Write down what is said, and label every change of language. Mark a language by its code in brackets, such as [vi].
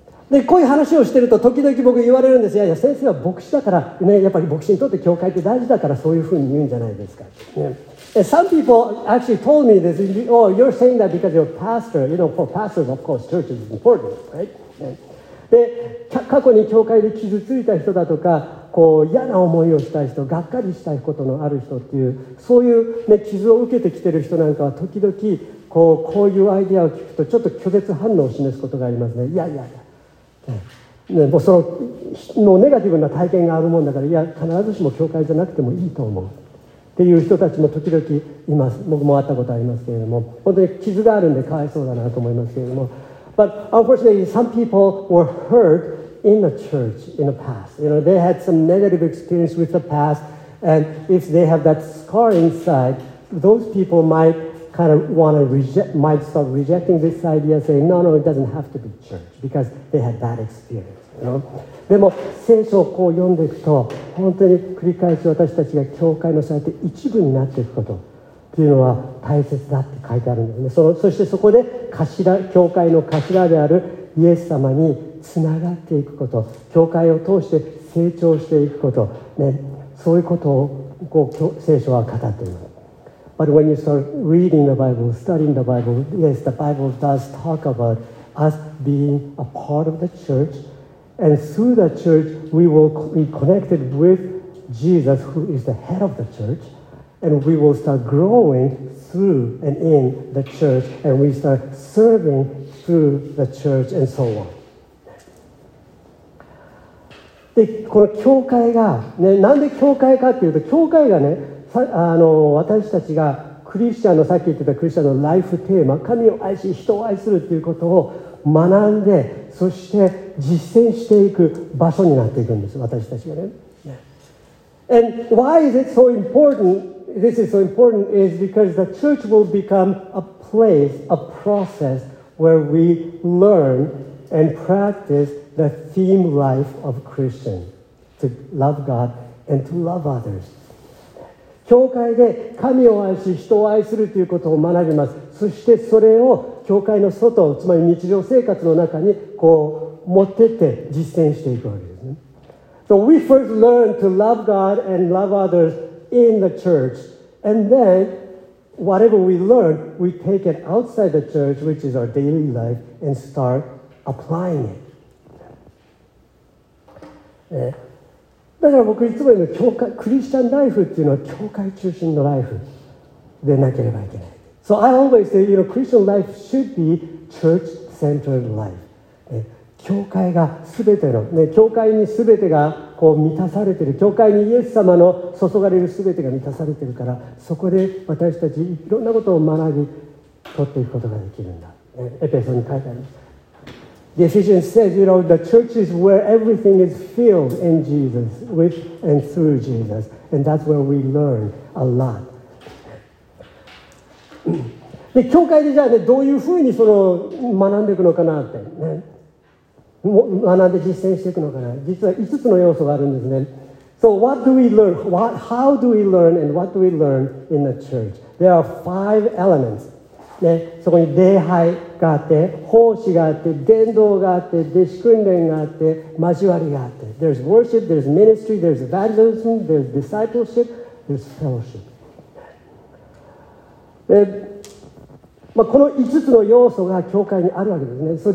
[ja] で、こういう話をしていると時々僕言われるんです。いやいや、先生は牧師だからね、やっぱり牧師にとって教会って大事だからそういうふうに言うんじゃないですか。 [en] ね。Some people actually told me this. Oh, you're saying that because you're a pastor. You know, for pastors, of course, church is important, right? [ja] で、過去に教会で傷ついた人だとか、こう嫌な思いをした人、がっかりしたことのある人っていう、そういう、ね、傷を受けてきてる人なんかは時々こういうアイデアを聞くとちょっと拒絶反応を示すことがありますね。いやいやいや。ね、もうそのもうネガティブな体験があるもんだから、いや必ずしも教会じゃなくてもいいと思う。っていう人たちも時々います。僕も会ったことありますけれども、本当に傷があるんでかわいそうだなと思いますけれども。 [en] But unfortunately, some people were hurt in the church in the past. You know, they had some negative experience with the past, and if they have that scar inside, those people might kind of want to reject, might start rejecting this idea, saying, no, it doesn't have to be church, because they had that experience, you know? [ja] でも聖書をこう読んでいくと、本当に繰り返し私たちが教会のされて一部になっていくことっていうのは大切だって書いてあるんですね。そしてそこで頭、教会の頭であるイエス様につながっていくこと、教会を通して成長していくこと、ね、そういうことをこう聖書は語っています。 [en] But when you start reading the Bible, studying the Bible, yes, the Bible does talk about us being a part of the church, and through the church, we will be connected with Jesus, who is the head of the church, and we will start growing through and in the church, and we start serving through the church, and so on. [ja] で、この教会が、ね、なんで教会かっていうと、教会がね、あの私たちがクリスチャンの、さっき言ってたクリスチャンのライフテーマ、神を愛し人を愛するということを学んで、そして実践していく場所になっていくんです、私たちがね。 [en] And why is it so important? This is so important is because the church will become a place, a process where we learn and practice the theme life of Christian, to love God and to love others. [ja] 教会で神を愛し人を愛するということを学びます。そしてそれを教会の外、つまり日常生活の中にこう持ってって実践していくわけですね。 [en] So we first learn to love God and love others in the church, and then whatever we learn, we take it outside the church, which is our daily life, and start applying it、 [ja] だから僕いつも言うの、教会クリスチャンライフっていうのは教会中心のライフでなければいけない。 [en] So I always say, you know, Christian life should be church-centered life.、 [ja] ね、教会がすべての、ね、教会にすべてがこう満たされている、教会にイエス様の注がれるすべてが満たされているから、そこで私たちいろんなことを学び取っていくことができるんだ。ね、エペソに書いてあります。 [en] The Ephesians says, you know, the church is where everything is filled in Jesus, with and through Jesus. And that's where we learn a lot. [ja] で、教会でじゃあね、どういうふうにその学んでいくのかなって、ね、学んで実践していくのかな。実は5つの要素があるんですね。 [en] So what do we learn? How do we learn and what do we learn in the church? There are 5 elements. [ja] ね、そこに礼拝があって、奉仕があって、伝道があって、弟子訓練があって、交わりがあって。 [en] There's worship, there's ministry, there's evangelism, there's discipleship, there's fellowship. [ja] で、まあ、この5つの要素が教会にあるわけですね。